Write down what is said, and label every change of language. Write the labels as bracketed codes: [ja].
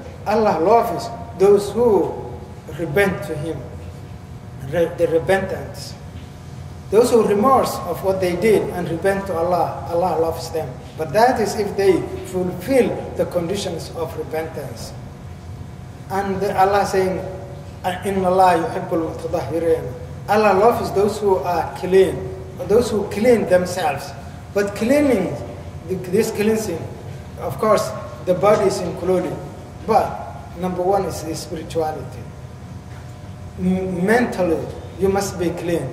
[en] Allah loves those who repent to Him, the repentance. Those who remorse of what they did and repent to Allah, Allah loves them. But that is if they fulfill the conditions of repentance. And Allah saying, [ar] إن الله يحب المتطهرين. [en] Allah loves those who are clean, those who clean themselves. But cleaning, this cleansing, of course, the body is included. But number one is the spirituality. Mentally, you must be clean.